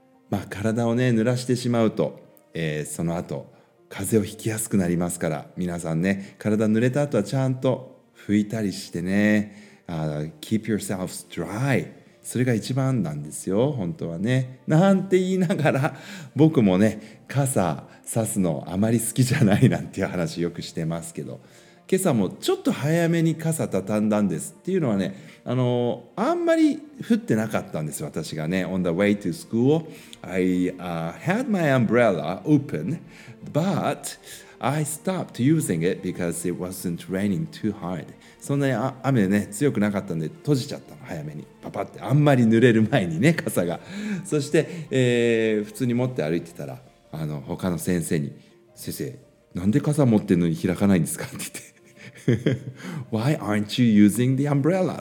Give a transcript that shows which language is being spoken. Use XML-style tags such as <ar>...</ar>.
<ja>まあ、体をね濡らしてしまうと、その後風邪をひきやすくなりますから、皆さんね、体濡れた後はちゃんと拭いたりしてね、</ja> <en>keep yourselves dry、</en> <ja>それが一番なんですよ本当はね、なんて言いながら僕もね、傘さすのあまり好きじゃないなんていう話よくしてますけど、今朝もちょっと早めに傘たたんだんですっていうのはね、あんまり降ってなかったんです私がね。</ja> <en>On the way to school I had my umbrella open, but I stopped using it because it wasn't raining too hard.</en> <ja>そんなに雨ね強くなかったんで閉じちゃったの、早めにパパって、あんまり濡れる前にね傘が。そして、普通に持って歩いてたら、他の先生に、先生なんで傘持ってるのに開かないんですかって言って</ja> <en>Why aren't you using the umbrella?</en>